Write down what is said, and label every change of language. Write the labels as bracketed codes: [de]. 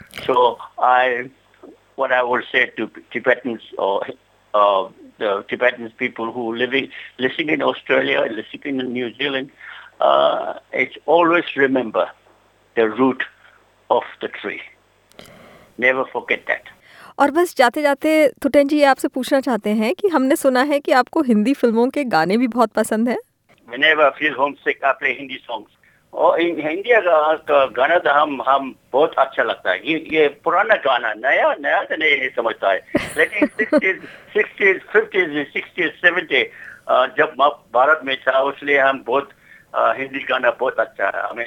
[en] So what I will say to Tibetans or the Tibetans people who listening in Australia, listening in New Zealand, it's always remember the root of the tree. Never forget that. [hi] और बस जाते जाते थुटेन जी आपसे पूछना चाहते हैं कि हमने सुना है कि आपको हिंदी फिल्मों के गाने भी बहुत पसंद है. [en] Whenever I feel homesick, I play Hindi songs. [hi] और इन हिंदी का गाना तो हम बहुत अच्छा लगता है. ये पुराना गाना, नया नया तो नहीं समझता है, लेकिन 60s, 50s, 60s, 70s जब मैं भारत में था, उसलिए हम बहुत हिंदी गाना बहुत अच्छा है.